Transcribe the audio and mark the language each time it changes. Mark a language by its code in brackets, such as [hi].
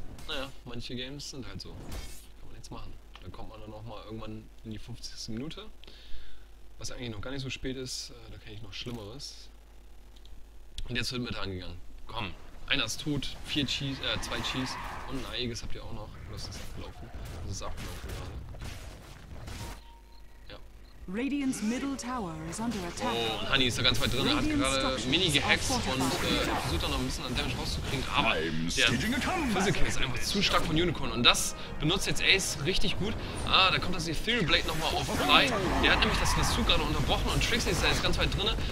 [de] Naja, manche Games sind halt so. Kann man nichts machen. Dann kommt man dann auch mal irgendwann in die 50. Minute. Was eigentlich noch gar nicht so spät ist, da kenne ich noch Schlimmeres. Und jetzt wird mit angegangen. Komm, einer ist tot, vier Cheese, zwei Cheese und ein Eiges habt ihr auch noch. Das ist abgelaufen. Das ist abgelaufen gerade. Ja. [en] Radiant's Middle Tower is under attack. [de] Oh, und Honey ist da ganz weit drin, hat gerade mini gehackt und versucht dann noch ein bisschen an Damage rauszukriegen. Aber der Physical ist einfach zu stark von Unicorn und das benutzt jetzt Ace richtig gut. Ah, da kommt das Ethereal Blade nochmal auf frei. Der hat nämlich das Lasso gerade unterbrochen und Trixie ist da jetzt ganz weit drin.